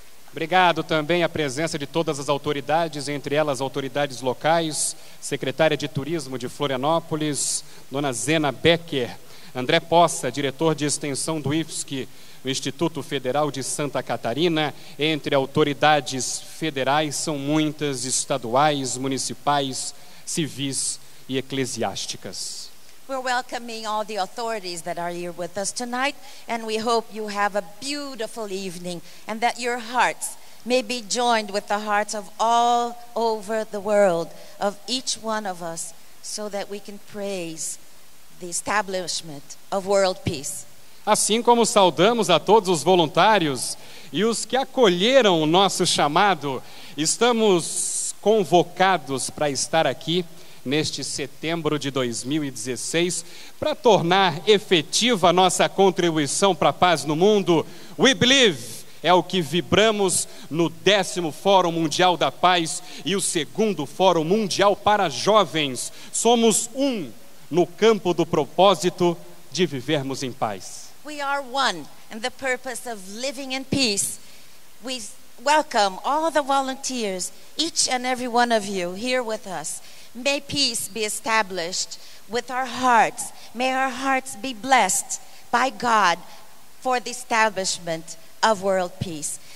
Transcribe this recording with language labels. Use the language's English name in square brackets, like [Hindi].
[Portuguese] Obrigado também à presença de todas as autoridades, entre elas autoridades locais, secretária de Turismo de Florianópolis, dona Zena Becker, André Poça, diretor de extensão do IFSC, o Instituto Federal de Santa Catarina, entre autoridades federais, são muitas, estaduais, municipais, civis e eclesiásticas. [English] We're welcoming all the authorities that are here with us tonight, and we hope you have a beautiful evening and that your hearts may be joined with the hearts of all over the world, of each one of us, so that we can praise the establishment of world peace. [Portuguese] Assim como saudamos a todos os voluntários e os que acolheram o nosso chamado, estamos convocados para estar aqui neste setembro de 2016, para tornar efetiva a nossa contribuição para a paz no mundo. We Believe é o que vibramos no 10º Fórum Mundial da Paz e o 2º Fórum Mundial para Jovens. Somos um no campo do propósito de vivermos em paz. [English] We are one in the purpose of living in peace. We welcome all the volunteers, each and every one of you here with us. May peace be established with our hearts. May our hearts be blessed by God for the establishment of world peace.